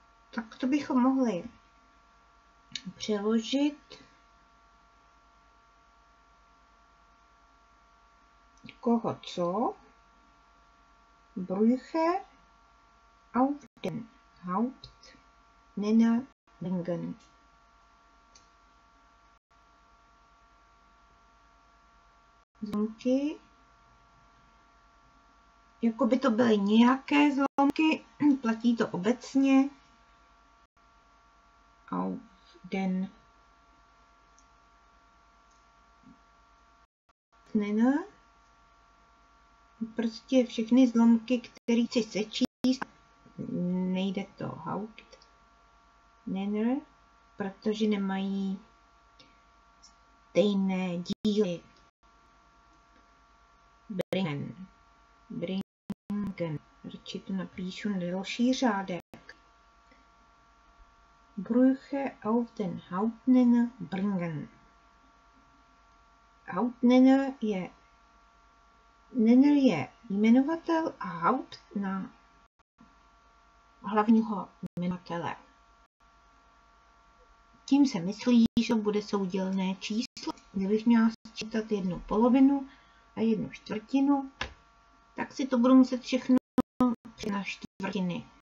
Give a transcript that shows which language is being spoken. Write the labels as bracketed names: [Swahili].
[Czech] Tak to bychom mohli přeložit koho co. [German] Brüche auf den Hauptnenner bringen. [Czech] Zlomky. Jako by to byly nějaké zlomky, platí to obecně. [German] Auf den Hauptnenner. [Czech] Prostě všechny zlomky, které chci sečíst, nejde to Hauptnenner, protože nemají stejné díly. [German] Bringen. Bringen. [Czech] Radši to napíšu na další řádek. [German] Brüche auf den Hauptnenner bringen. [Czech] Hauptnenner je Nenner je jmenovatel a Haupt na hlavního jmenovatele. Tím se myslí, že bude soudělné číslo. Kdybych měla sčítat jednu polovinu a jednu čtvrtinu, tak si to budu muset všechno na čtvrtiny.